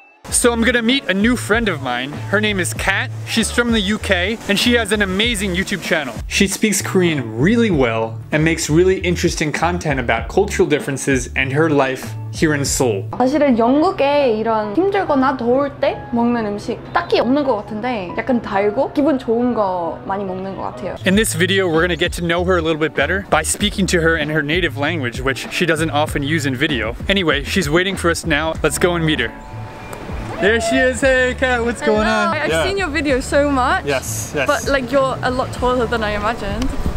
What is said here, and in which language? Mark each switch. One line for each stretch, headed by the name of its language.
English: So I'm gonna meet a new friend of mine. Her name is Kat, she's from the UK, and she has an amazing YouTube channel. She speaks Korean really well and makes really interesting content about cultural differences and her life here in Seoul.
Korean: 사실은 영국에 이런 힘들거나 더울 때 먹는 음식 딱히 없는 것 같은데 약간 달고 기분 좋은 거 많이 먹는 것 같아요.
English: In this video, we're gonna get to know her a little bit better by speaking to her in her native language, which she doesn't often use in video. Anyway, she's waiting for us now. Let's go and meet her. There she is. Hey, Kat, what's Hello. Going on? I've seen your video so much. Yes, yes. But like you're a lot taller than I imagined.